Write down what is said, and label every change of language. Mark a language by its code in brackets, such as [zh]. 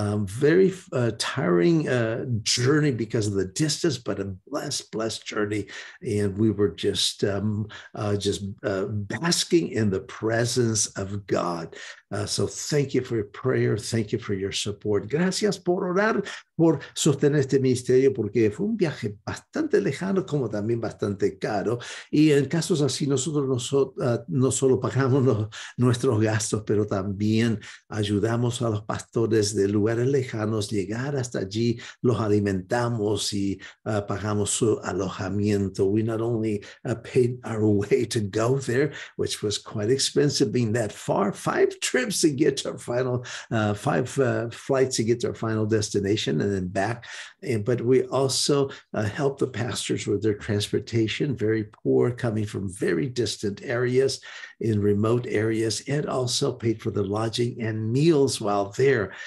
[en] It was a very tiring journey because of the distance, but a blessed, blessed journey. And we were just basking in the presence of God. So thank you for your prayer. Thank you for your support. [es] Gracias por orar, por sostener este ministerio, porque fue un viaje bastante lejano, como también bastante caro. Y en casos así, nosotros no solo pagamos nuestros gastos, pero también ayudamos a los pastores de lugares lejanos llegar hasta allí, los alimentamos y pagamos su alojamiento. [en] We not only paid our way to go there, which was quite expensive being that far, five flights to get to our final destination and then back. But we also helped the pastors with their transportation, very poor, coming from very distant areas, in remote areas, and also paid for the lodging and meals while there.